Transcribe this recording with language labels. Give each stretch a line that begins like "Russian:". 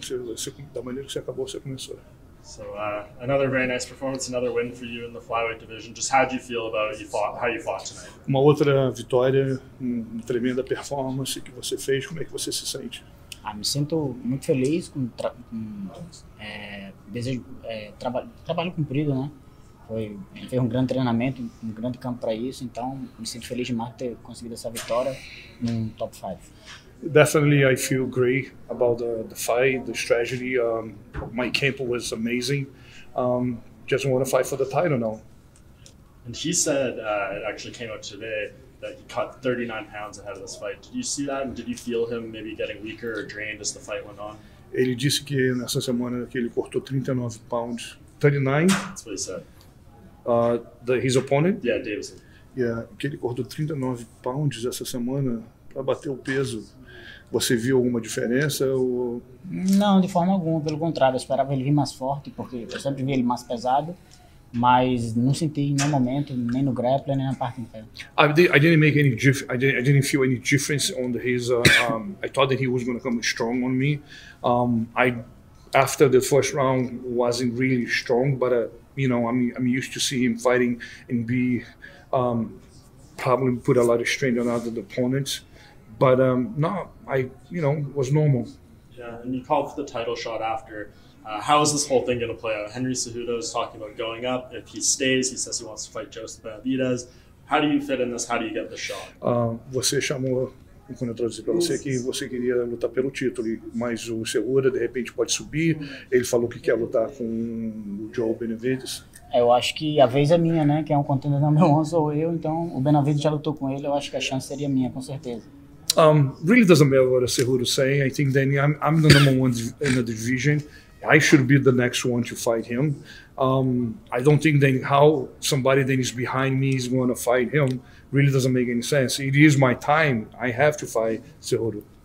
Portuguese: Você, da maneira que você acabou, você começou.
English: So, another very nice performance, another win for you in the flyweight division. Just how do you feel about you fought, how you fought tonight?
Portuguese: Uma outra vitória, uma tremenda performance que você fez. Como é que você se sente? Ah, me sinto muito feliz com trabalho cumprido, né? Foi um grande treinamento, um grande campo para isso. Então, me sinto feliz demais ter conseguido essa vitória num top 5.
English: Definitely, I feel great about the fight, the strategy. My camp was amazing. Just want to fight for the title now. And he said, it actually came out today, that he cut 39 pounds ahead of this fight. Did you see that? And did you feel him maybe getting weaker or drained as the fight went on?
Portuguese: Ele disse que nessa semana que ele cortou 39 pounds. 39?
English: That's what he said. His opponent? Yeah, Davidson.
Portuguese: Yeah, que ele cortou 39 pounds essa semana para bater o peso. Você viu alguma diferença? Ou... Não, de forma alguma. Pelo contrário, eu esperava ele vir mais forte, porque eu sempre vi ele mais pesado, mas não senti em nenhum momento, nem no grappling, nem na parte em pé.
English: I didn't feel any difference on his. I thought that he was going to come strong on me. I after the first round wasn't really strong, but you know, I'm used to see him fighting and be probably put a lot of strain on other opponents. But no, I, you know, was normal. Yeah, and you called for the title shot after. How is this whole thing going to play out? Henry Cejudo is talking about going up. If he stays, he says he wants to fight Joseph Benavidez. How do you fit in this? How do you get the shot?
Portuguese: Você chamou, quando eu traduzi para você, que você queria lutar pelo título, mas o Cejudo, de repente, pode subir. Ele falou que quer lutar com o Joe Benavidez. Eu acho que a vez é minha, né? Quem é um contender número 1 sou eu. Então, o Benavidez já lutou com ele. Eu acho que a chance seria minha, com certeza.
English: Really doesn't matter what Cejudo is saying. I think Danny, I'm the number one in the division. I should be the next one to fight him. I don't think then how somebody that is behind me is going to fight him really doesn't make any sense. It is my time. I have to fight Cejudo.